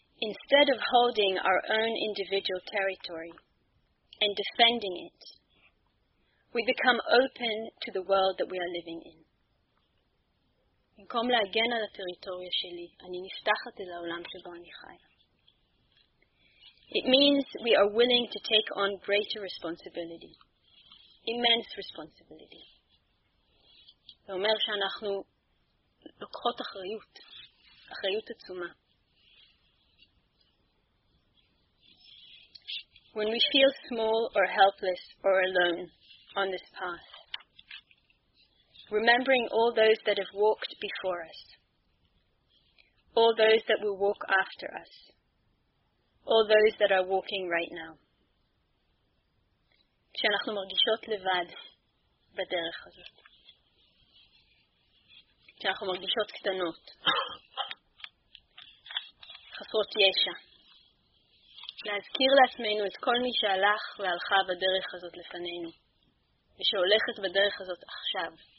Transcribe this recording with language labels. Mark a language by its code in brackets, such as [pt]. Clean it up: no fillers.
[en] Instead of holding our own individual territory and defending it, we become open to the world that we are living in. [he] במקום להגן על הטריטוריה שלי, אני נפתחת אל העולם שבו אני חי. [en] It means we are willing to take on greater responsibility. Immense responsibility. [he] זה אומר שאנחנו לוקחות אחריות, אחריות עצומה. [en] When we feel small or helpless or alone on this path, remembering all those that have walked before us, all those that will walk after us, all those that are walking right now. [he] כשאנחנו מרגישות לבד בדרך הזאת, כשאנחנו מרגישות קטנות, חסרות ישע, להזכיר לעצמנו את כל מי שהלך והלכה בדרך הזאת לפנינו, ושהולכת בדרך הזאת עכשיו.